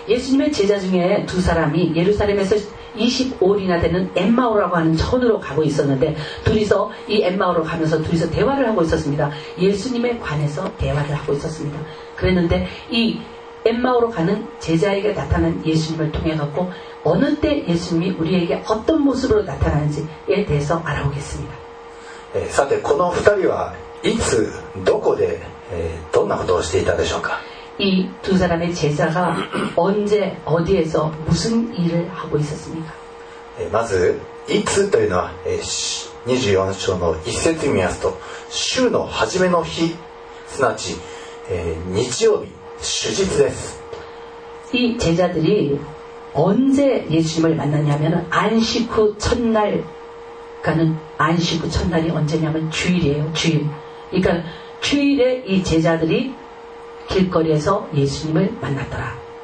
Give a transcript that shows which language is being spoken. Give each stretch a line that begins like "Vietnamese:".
Korean: イエス님의제자중에두사람이예루살렘에서25리나되는엠마오라고하는촌으로가고있었는데둘이서이엠마오로가면서둘이서대화를하고있었습니다예수님에관해서대화를하고있었습니다그랬는데이엠마오로가는제자에게나타난예수님을통해갖고어느때예수님이우리에게어떤모습으로나타나는지에대해서알아보겠습니다
Japanese: さてこの2人はいつどこでどんなことをしていたでしょうか
Korean: 이두사람의제자가언제어디에서무슨일을하고있었습니까
Japanese: まずいつというのは24章の一節見ますと週の初めの日すなわち日曜日主日です
Korean: 이제자들이언제예수님을만났냐면안식후첫날안식후첫날이언제냐면주일이에요주일그러니까주일에이제자들이길거리에서예수님을만났더라